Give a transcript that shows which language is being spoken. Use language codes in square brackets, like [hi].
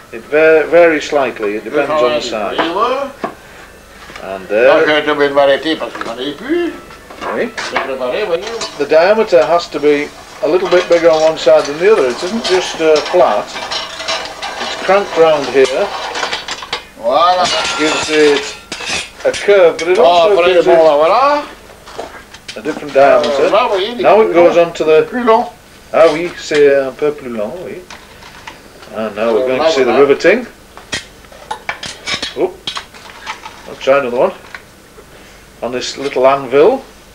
[en] It very slightly, it depends on the size. [fr] Voyez-vous? [en] And [fr] là, j'ai trouvé une variété parce que j'en ai plus. Oui. J'ai préparé, voyez-vous? [en] The diameter has to be a little bit bigger on one side than the other. It isn't just flat. It's cranked round here. [fr] Voilà. [en] Gives it... A curve, but it also gives it a different diameter. Now it goes on to the... [fr] Plus long. Ah oui, c'est un peu plus long, oui. [en] And now we're going to see the riveting. Oh, I'll try another one. On this little anvil.